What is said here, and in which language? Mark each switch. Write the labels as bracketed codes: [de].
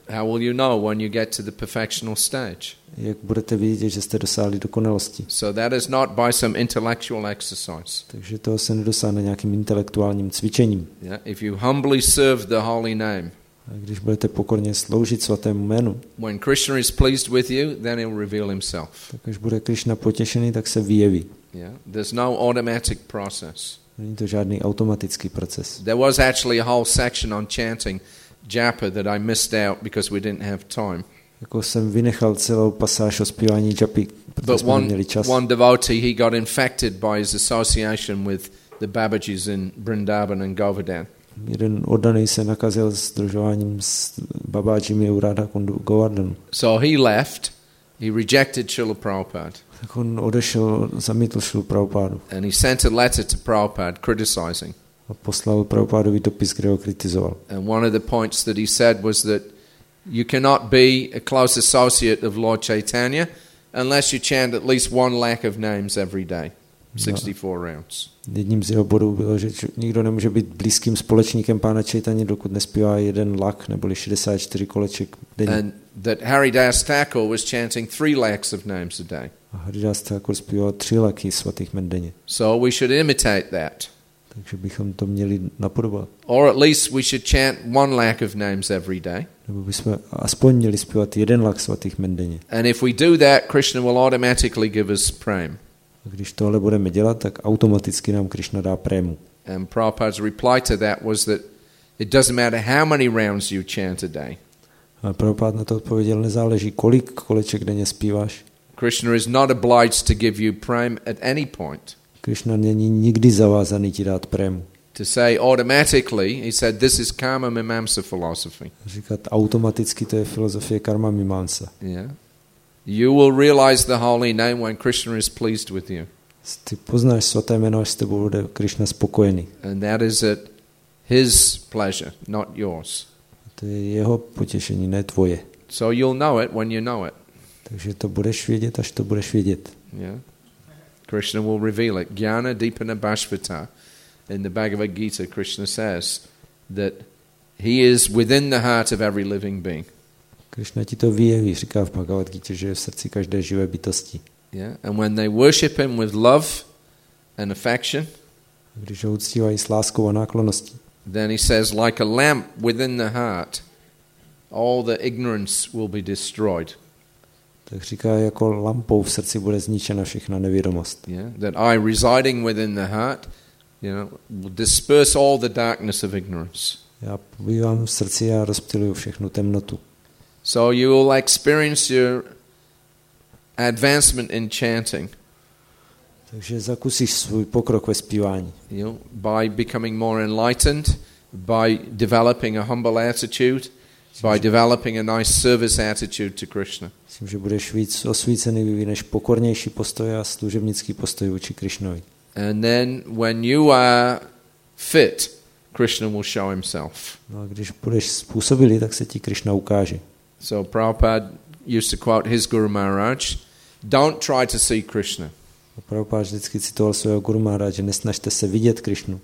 [en] How will you know when you get to the perfectional stage? [cs] Jak budete vidět, že jste dosáhli dokonalosti? [en] So that is not by some intellectual exercise. [cs] Takže to se nedosáhne nějakým intelektuálním cvičením. [en] Yeah, if you humbly serve the holy name. [cs] A když budete pokorně sloužit svatému jménu. [en] When Krishna is pleased with you, then he'll reveal himself. [cs] Tak když bude Krishna potěšený, tak se vyjeví. [en] Yeah, there's no automatic process. [cs] Není to žádný automatický proces. [en] There was actually a whole section on chanting japa that I missed out because we didn't have time. [cs] Jako jsem vynechal celou pasáž o zpívání japy, protože jsme neměli čas. [en] One devotee, he got infected by his association with the Babaji's in Vrindavan and Govardhan. [cs] Jeden oddaný se nakazil sdružováním s Babajimi u Radha Kundu Govardhan. [en] So he left. He rejected Srila Prabhupada. [cs] Tak on odešel, zamítl Srila Prabhupádu. [en] And he sent a letter to Prabhupada criticizing. [cs] A poslal Prabhupádovi dopis, kde ho kritizoval. [en] And one of the points that he said was that you cannot be a close associate of Lord Chaitanya unless you chant at least one lakh of names every day, 64 rounds. [cs] Jedním z jeho bodů bylo, že nikdo nemůže být blízkým společníkem pána Chaitanya, dokud nespívá jeden lakh neboli 64 koleček denně. [en] And that Haridas Thakur was chanting 3 lakhs of names a day. [cs] A Haridas Thakur zpíval 3 lakhy svatých jmen denně. [en] So we should imitate that. [cs] Takže bychom to měli napodobovat. [en] Or at least we should chant 1 lakh of names every day. [cs] Nebo bychom aspoň měli zpívat 1 lakh svatých jmen denně. [en] And if we do that, Krishna will automatically give us prem. [cs] A když tohle budeme dělat, tak automaticky nám Krishna dá prému. [en] And Prabhupada's reply to that was that it doesn't matter how many rounds you chant a day. [cs] A Prabhupada na to odpověděl, nezáleží, kolik koleček denně zpíváš. [en] Krishna is not obliged to give you prem at any point. [cs] Krishna není nikdy zavázaný ti dát prem. [en] To say automatically, he said, this is karma mimamsa philosophy. [cs] Říkat automaticky, to je filozofie karma mimamsa. [en] Yeah. You will realize the holy name when Krishna is pleased with you. [cs] Ty poznáš svaté jméno, až s tebou bude Krishna spokojený. [en] And that is at his pleasure, not yours. [cs] To je jeho potěšení, ne tvoje. [en] So you'll know it when you know it. [cs] Takže to budeš vědět, až to budeš vědět. [en] Yeah. Krishna will reveal it. [sa] Jnana Dipana Bhashvata. [en] In the Bhagavad Gita, Krishna says that he is within the heart of every living being. [cs] Krishna ti to vyjeví, říká v Bhagavad Gita, že je v srdci každé živé bytosti. [en] Yeah. And when they worship him with love and affection, [cs] když ho uctívají s láskou a náklonností, [en] then he says, like a lamp within the heart, all the ignorance will be destroyed. [cs] Tak říká, jako lampou v srdci bude zničena všechna nevědomost. [en] Yeah, that I residing within the heart, you know, will disperse all the darkness of ignorance. [cs] Já pobývám v srdci a rozptyluju všechnu temnotu. [en] So you will experience your advancement in chanting. [cs] Takže zakusíš svůj pokrok ve zpívání. [en] You know, by becoming more enlightened, by developing a humble attitude, by developing a nice service attitude to Krishna. [cs] Myslím, že budeš víc osvícený, vyvineš pokornější postoj a služebnický postoj vůči Krishnovi. [en] And then when you are fit, Krishna will show himself. [cs] No, a když budeš způsobilý, tak se ti Krishna ukáže. [en] So Prabhupada used to quote his Guru Maharaj, don't try to see Krishna. [cs] A Prabhupada vždycky citoval svého Guru Maharaja, nesnažte se vidět Krishnu.